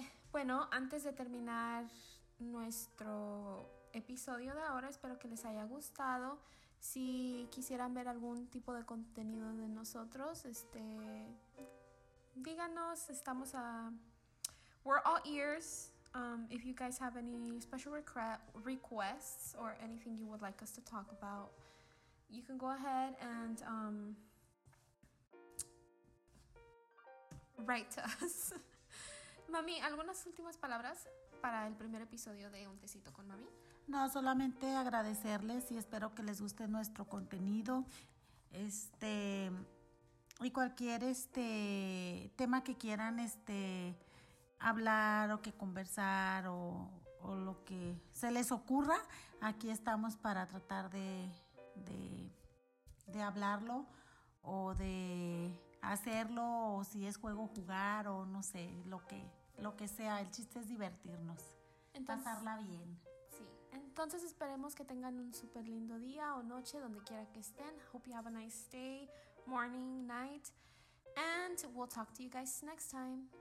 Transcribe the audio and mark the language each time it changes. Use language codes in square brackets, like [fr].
[es] Bueno, antes de terminar nuestro episodio de ahora, espero que les haya gustado. Si quisieran ver algún tipo de contenido de nosotros, díganos. [en] Estamos a... We're all ears. If you guys have any special requests or anything you would like us to talk about, you can go ahead and write to us. [es] Mami, ¿algunas últimas palabras para el primer episodio de Un Tecito con Mami? No, solamente agradecerles y espero que les guste nuestro contenido. Y cualquier tema que quieran, hablar o que conversar o lo que se les ocurra, aquí estamos para tratar de hablarlo o de hacerlo, o si es juego jugar o no sé, lo que sea. El chiste es divertirnos. Entonces, pasarla bien. Sí. Entonces esperemos que tengan un súper lindo día o noche donde quiera que estén. [en] Hope you have a nice day, morning, night. And we'll talk to you guys next time.